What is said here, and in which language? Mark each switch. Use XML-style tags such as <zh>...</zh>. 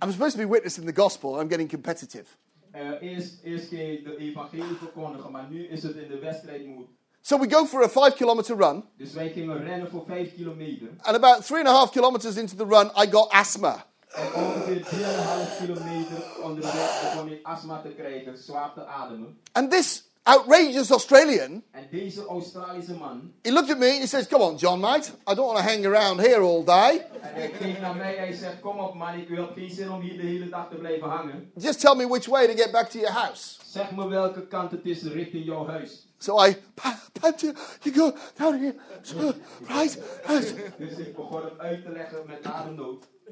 <en>I'm supposed to be witnessing the gospel, I'm getting competitive.</en> <nl>Eerst ging ik de evangelie verkondigen, maar nu is het in de wedstrijd moet.</nl> <en>So we go for a 5-kilometer run.</en> <nl>Dus wij gingen rennen voor 5 kilometer.</nl> <en>And about 3.5 kilometers into the run, I got asthma.</en> <nl>En ongeveer 3.5 kilometer onderweg begon ik asthma te krijgen, zwaar te ademen.</nl> <en>And this outrageous Australian.</en> <nl>En deze Australische man.</nl> <en>He looked at me and he says, "Come on, John, mate. I don't want to hang around here all day."</en> <nl>En hij keek naar mij en hij zegt, "Kom op, man. Ik wil geen zin om hier de hele dag te blijven hangen."</nl> <en>Just tell me which way to get back to your house.</en> <nl>Zeg me welke kant het is richting jouw huis.</nl> <en>So I panted, you go down here, so, right,</en> <nl>dus ik begon hem uit te leggen met ademnood.</nl>